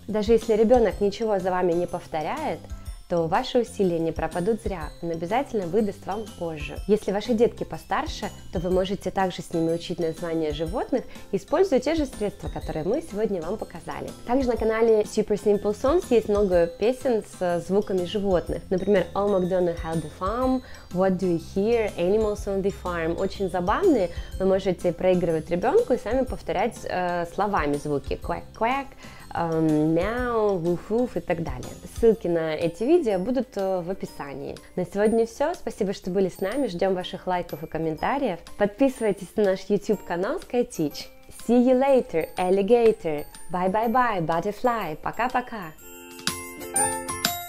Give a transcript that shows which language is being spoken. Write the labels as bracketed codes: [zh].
[ru] Даже если ребенок ничего за вами не повторяет, то ваши усилия не пропадут зря, он обязательно выдаст вам позже. Если ваши детки постарше, то вы можете также с ними учить названия животных, используя те же средства, которые мы сегодня вам показали. Также на канале Super Simple Songs есть много песен с звуками животных. Например, Oh MacDonald had a farm, What do you hear, Animals on the farm. Очень забавные, вы можете проигрывать ребенку и сами повторять словами звуки. Quack, quack. Мяу, вуф-вуф и так далее. Ссылки на эти видео будут в описании. На сегодня все. Спасибо, что были с нами. Ждем ваших лайков и комментариев. Подписывайтесь на наш YouTube канал SkyTeach. [en] See you later, alligator. Bye-bye-bye, butterfly. [ru] Пока-пока.